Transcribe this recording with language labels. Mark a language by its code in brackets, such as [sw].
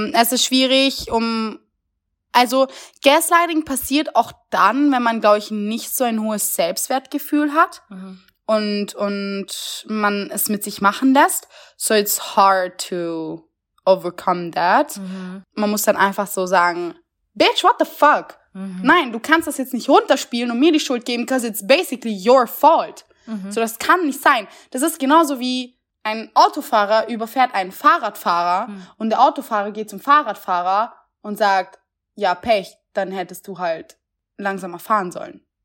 [de] Es ist schwierig, also, Gaslighting passiert auch dann, wenn man, glaube ich, nicht so ein hohes Selbstwertgefühl hat und man es mit sich machen lässt. [en] So it's hard to overcome that. Mhm. [de] Man muss dann einfach so sagen, [en] Bitch, what the fuck? Mhm. [de] Nein, du kannst das jetzt nicht runterspielen und mir die Schuld geben, [en] because it's basically your fault. Mhm. [de] So, das kann nicht sein. Das ist genauso wie ein Autofahrer überfährt einen Fahrradfahrer und der Autofahrer geht zum Fahrradfahrer und sagt, ja, Pech, dann hättest du halt langsamer fahren sollen.